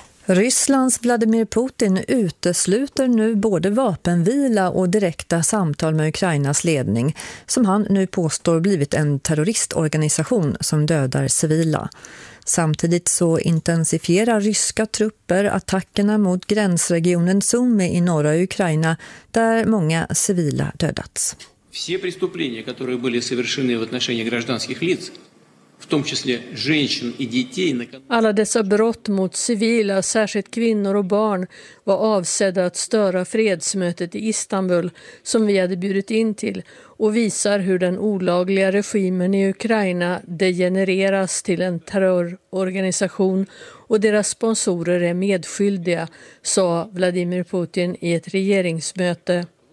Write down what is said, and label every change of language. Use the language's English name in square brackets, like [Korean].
[Swedish] Rysslands Vladimir Putin utesluter nu både vapenvila och direkta samtal med Ukrainas ledning, som han nu påstår blivit en terroristorganisation som dödar civila. Samtidigt så intensifierar ryska trupper attackerna mot gränsregionen Sumy i norra Ukraina, där många civila dödats. [Russian] Все преступления, которые были совершены в отношении гражданских лиц, в том числе женщин и детей. [Swedish] Alla dessa brott mot civila, särskilt kvinnor och barn, var avsedda att störa fredsmötet i Istanbul som vi hade bjudit in till och visar hur den olagliga regimen i Ukraina degenereras till en terrororganisation och deras sponsorer är medskyldiga, sa Vladimir Putin i ett regeringsmöte.